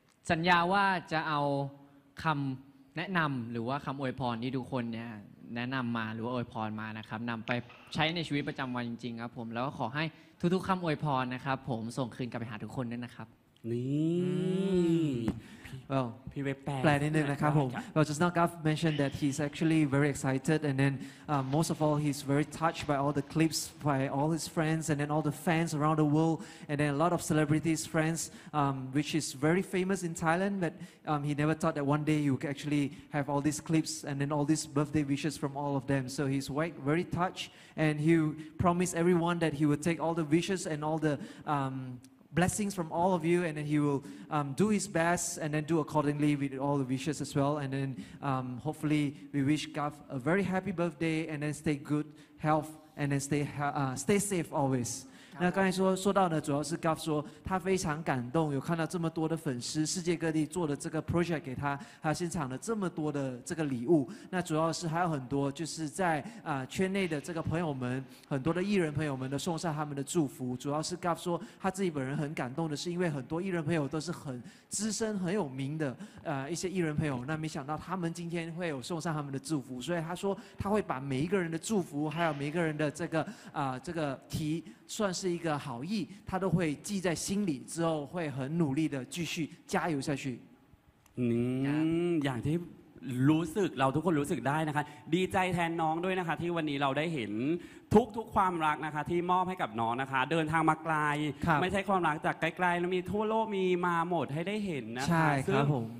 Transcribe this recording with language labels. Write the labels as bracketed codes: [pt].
[th] สัญญาว่าจะเอาคำแนะนำหรือว่าคำอวยพรที่ทุกคนเนี่ยแนะนำมาหรือว่าอวยพรมานะครับนำไปใช้ในชีวิตประจำวันจริงๆครับผมแล้วก็ขอให้ทุกๆคำอวยพรนะครับผมส่งคืนกลับไปหาทุกคนด้วยนะครับ นี่ [en] Well [th] พี่เวปแป ลนิดนึงนะครับผม [en] Well just now Garth mentioned that he's actually very excited and then most of all he's very touched by all the clips by all his friends and then all the fans around the world and then a lot of celebrities friends which is very famous in Thailand but he never thought that one day you could actually have all these clips and then all these birthday wishes from all of them so he's very touched and he promised everyone that he would take all the wishes and all the blessings from all of you and then he will do his best and then do accordingly with all the wishes as well and then hopefully we wish Garth a very happy birthday and then stay good health and then stay safe always [zh] 那刚才说到呢，主要是 Garth 说他非常感动，有看到这么多的粉丝，世界各地做的这个 project 给他，他现场的这么多的这个礼物。那主要是还有很多，就是在圈内的这个朋友们，很多的艺人朋友们都送上他们的祝福。主要是 Garth 说他自己本人很感动的是，因为很多艺人朋友都是很资深、很有名的一些艺人朋友，那没想到他们今天会有送上他们的祝福，所以他说他会把每一个人的祝福，还有每一个人的这个题。算是一个好意，他都会记在心里，之后会很努力的继续加油下去。 [th] อย่างที่รู้สึกเราทุกคนรู้สึกได้นะคะดีใจแทนน้องด้วยนะคะที่วันนี้เราได้เห็นทุกความรักนะคะที่มอบให้กับน้องนะคะเดินทางมาไกลไม่ใช่ความรักจากไกลๆแล้วมีทั่วโลกมีมาหมดให้ได้เห็นนะคะ ใช่ครับผม